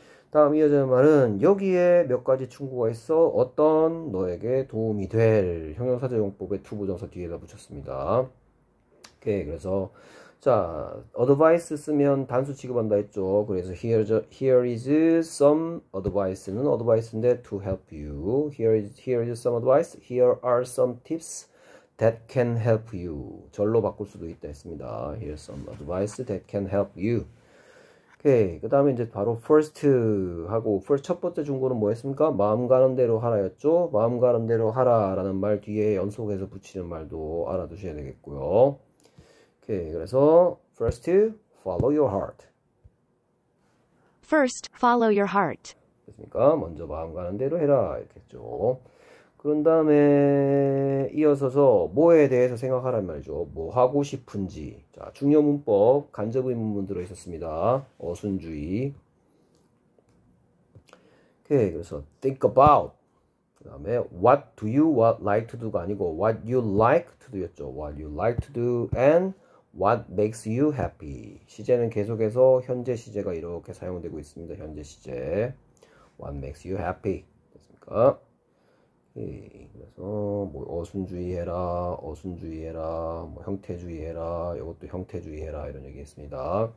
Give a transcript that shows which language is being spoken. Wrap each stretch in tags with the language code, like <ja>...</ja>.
<ko>다음 이어지는 말은 여기에 몇 가지 충고가 있어. 어떤 너에게 도움이 될 형용사적용법의 to 부정사 뒤에다 붙였습니다. 오케이. 그래서 자, advice 쓰면 단수 취급한다 했죠. 그래서</ko> <en>here is some advice</en> <ko>는 advice인데</ko> <en>to help you. Here is some advice. Here are some tips that can help you.</en> <ko>절로 바꿀 수도 있다 했습니다.</ko> <en>Here's some advice that can help you. 오케이.</en> <ko>그 다음에 이제 바로 first 하고, first 첫 번째 준거는 뭐 했습니까? 마음 가는 대로 하라였죠? 마음 가는 대로 하라라는 말 뒤에 연속해서 붙이는 말도 알아두셔야 되겠고요. 오케이. 그래서</ko> <en>first, follow your heart. First, follow your heart.</en> <ko>됐습니까? 먼저 마음 가는 대로 해라. 이렇게 했죠. 그런 다음에 이어서서 뭐에 대해서 생각하란 말이죠. 뭐 하고 싶은지. 자, 중요 문법, 간접 의문문 들어 있었습니다. 어순주의. 오케이, 그래서</ko> <en>think about.</en> <ko>그다음에</ko> <en>what do you what like to do가 아니고 what you like to do였죠. What you like to do and what makes you happy.</en> <ko>시제는 계속해서 현재 시제가 이렇게 사용되고 있습니다. 현재 시제.</ko> <en>What makes you happy?</en> <ko>됐습니까? 그래서 뭐 어순주의해라, 어순주의해라, 뭐 형태주의해라, 이것도 형태주의해라 이런 얘기 했습니다.</ko>